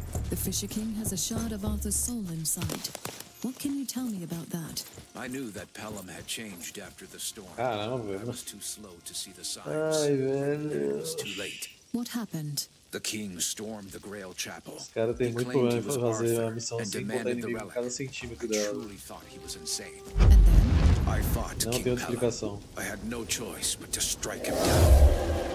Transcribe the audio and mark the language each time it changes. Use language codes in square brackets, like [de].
[en] The Fisher King has a shard of Arthur's soul inside. What can you tell me about that? I knew that Pelham had changed after the storm. [pt] Caramba. [en] I was too slow to see the signs. [pt] Ai, velho. [en] It was too late. What happened? The King stormed the Grail Chapel. [pt] Esse cara tem muito problema pra fazer a missão sem contar inimigo a cada centímetro dela. [en] I truly thought he was insane. And then? I fought [pt] não [en] King [pt] tem explicação. [en] I had no choice but to strike him down.